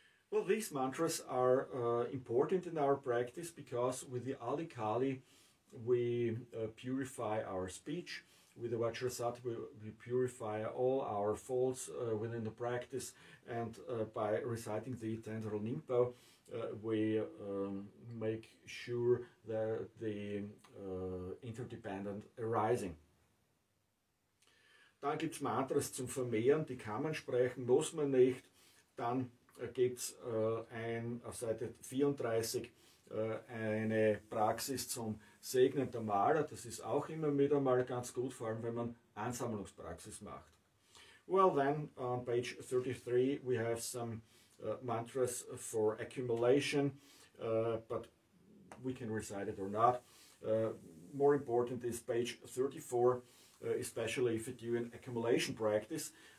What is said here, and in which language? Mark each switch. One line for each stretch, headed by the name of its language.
English: Well, these mantras are important in our practice because with the Ali Kali we purify our speech, with the Vajrasattva we purify all our faults within the practice, and by reciting the Tantral Nyingpo we make sure that the interdependent arising.
German: Dann gibt es Mantras zum Vermehren, die kann man sprechen, muss man nicht. Dann gibt es auf Seite 34 eine Praxis zum Segnen der Maler. Das ist auch immer wieder mal ganz gut, vor allem wenn man Ansammlungspraxis macht.
English: Well then, on page 33 we have some mantras for accumulation, but we can recite it or not. More important is page 34, especially if you do an accumulation practice.